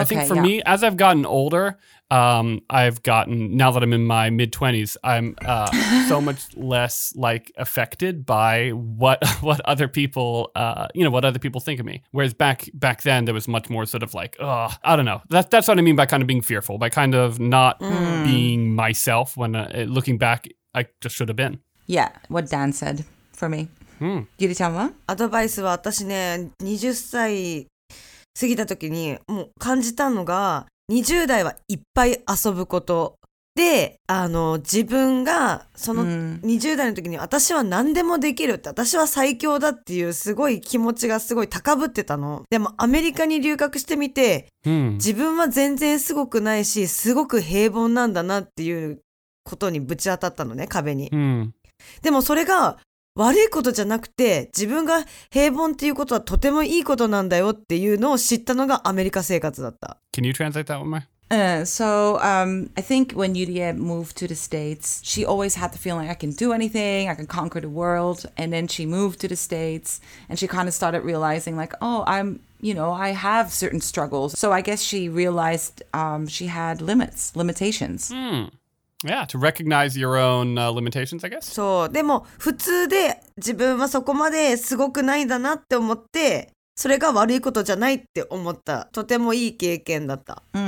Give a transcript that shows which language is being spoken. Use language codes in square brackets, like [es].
[en] I think for me, as I've gotten older, I've gotten, now that I'm in my mid-20s, I'm so much less like affected by what other people, you know, what other people think of me. Whereas back then there was much more sort of like, oh, I don't know. That's what I mean by kind of being fearful, by kind of not being myself when looking back, I just should have been. Yeah, what Dan said for me. [ja] ゆりちゃんは？アドバイスは私ね、20歳過ぎた時にもう感じたのが、20代はいっぱい遊ぶことで、自分がその20代の時に私は何でもできるって、私は最強だっていうすごい気持ちがすごい高ぶってたの。でもアメリカに留学してみて、自分は全然すごくないし、すごく平凡なんだなっていうことにぶち当たったのね、壁に。でもそれが悪いことじゃなくて、自分が平凡っていうことはとてもいいことなんだよっていうのを知ったのがアメリカ生活だった。 [en] Can you translate that one more? I think when Yurie moved to the States, she always had the feeling, I can do anything, I can conquer the world. And then she moved to the States and she kind of started realizing like, oh, I'm, you know, I have certain struggles. So I guess she realized she had limits, limitations. Yeah, to recognize your own limitations, I guess. [ja] そう、でも普通で自分はそこまですごくないんだなって思って、それが悪いことじゃないって思った。とてもいい経験だった。